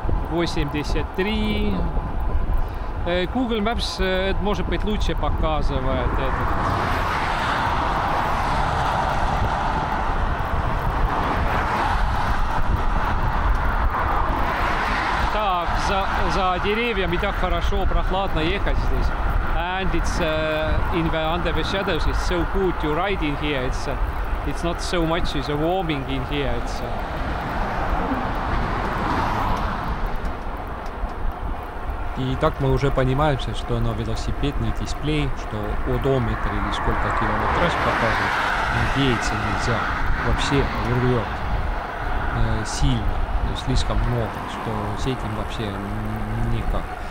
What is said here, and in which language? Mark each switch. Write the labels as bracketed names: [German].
[Russian] 83. Google Maps, может быть, лучше показывает этот. Так, за деревьями так хорошо, прохладно ехать здесь. [English] And it's in the under the shadows, it's so good to ride in here. It's not so much as a warming in here, it's [Russian] И так мы уже понимаем, что на велосипедный дисплей, что одометр или сколько километров показывает, надеяться нельзя. Вообще врет сильно, слишком много, что с этим вообще никак.